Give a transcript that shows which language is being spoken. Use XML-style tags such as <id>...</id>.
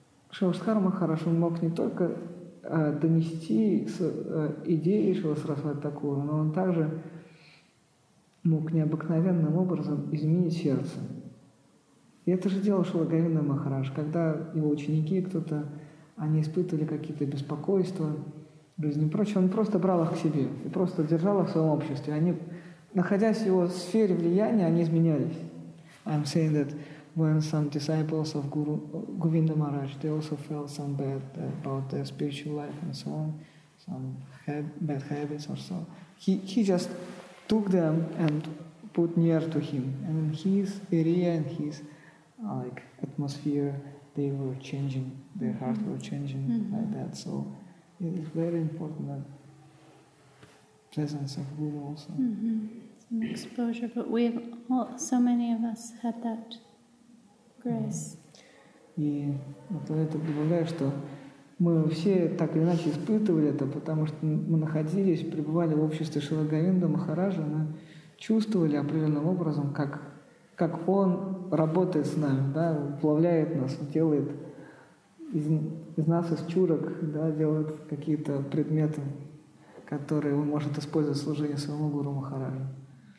<ru>Шрила Шридхара Махарадж мог не только донести идеи Шрила Сарасвати Такура, но он также мог необыкновенным образом изменить сердце. И это же делал Шрила Говинда Махарадж, когда его ученики, кто-то, они испытывали какие-то беспокойства, жизнь и прочее, он просто брал их к себе и просто держал их в своем обществе. Они находясь в его сфере влияния, они изменялись.</ru> <en>I'm saying that when some disciples of Guru Govinda Maharaj, they also felt some bad about their spiritual life and so on, some bad habits or so. He just took them and put near to him, and his area and his like atmosphere, they were changing, their heart were changing like that. So it is very important that presence of Guru also. Some exposure, but we've all, so many of us had that grace.</en> <ru>И вот это добавляю, что мы все так или иначе испытывали это, потому что мы находились, пребывали в обществе Шрила Говинда Махараджа, мы чувствовали определенным образом, как он работает с нами, да, уплавляет нас, делает из нас из чурок, да, делает какие-то предметы, которые он может использовать в служении своему Гуру Махараджу.</ru>